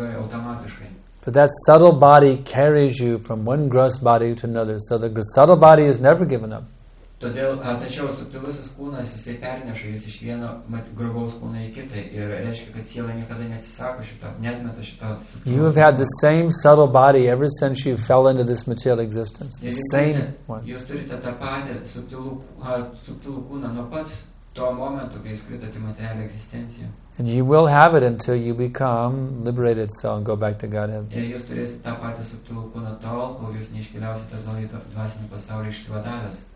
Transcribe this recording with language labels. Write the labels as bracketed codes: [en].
[en] But that subtle body carries you from one gross body to another, so the subtle body is never given up. [lt] Todėl, tačiau subtilusis kūnas jisai perneša jis iš vieno grubaus kūno į kitą ir reiškia, kad siela niekada neatsisako šito, netmeta šito subtilus. [en] You have had the same subtle body ever since you fell into this material existence. The same one. [lt] Jūs turite tą patį subtilų kūną nuo pat to momento, kai skritote materialią egzistenciją. [en] And you will have it until you become liberated soul and go back to Godhead. [lt] Jūs turėsite tą patį subtilų kūną tol, kol jūs neiškeliausite atgal į dvasinį pasaulį išsivadavęs.